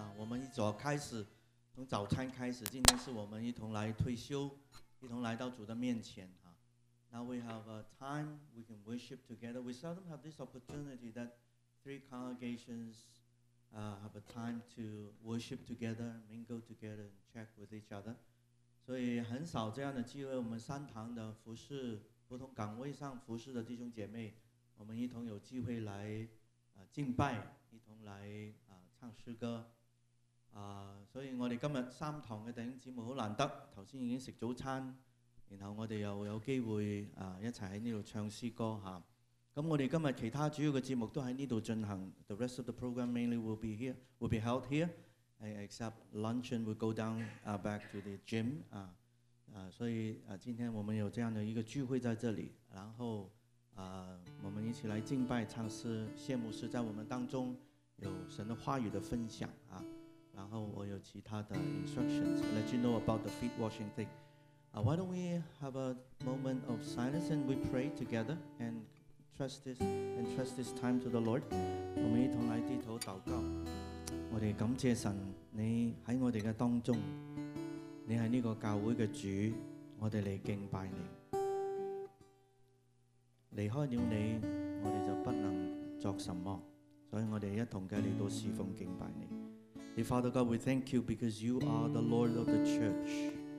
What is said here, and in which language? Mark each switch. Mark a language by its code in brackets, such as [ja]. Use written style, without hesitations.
[zh] 我们一早开始从早餐开始。今天是我们一同来退休，一同来到主的面前。 [en] Now we have a time we can worship together. We seldom have this opportunity that three congregations have a time to worship together, mingle together, and check with each other. [zh] 所以很少这样的机会，我们三堂的服事。不同岗位上服侍的弟兄姐妹，我们一同有机会来敬拜，一同来唱诗歌所以我们今天三堂的弟兄姊妹很难得，刚才已经吃早餐，然后我们又有机会一起在这里唱诗歌我们今天其他主要的节目都在这里进行。 [en] The rest of the program mainly will be here, will be held here, except luncheon will go down back to the gym. [zh] 所以今天我们有这样的一个聚会在这里，然后我们一起来敬拜唱诗，谢牧师在我们当中有神的话语的分享然后我有其他的 [en] instructions let you know about the feet washing thing. Why don't we have a moment of silence and we pray together and trust this time to the Lord. [zh] 我们一同来低头祷告。我们感谢神，你在我们的当中，你是这个教会的主，我们来敬拜你。离开了你，我们就不能做什么，所以我们一同来到侍奉敬拜你。 [en] Dear Father God, we thank you because you are the Lord of the church.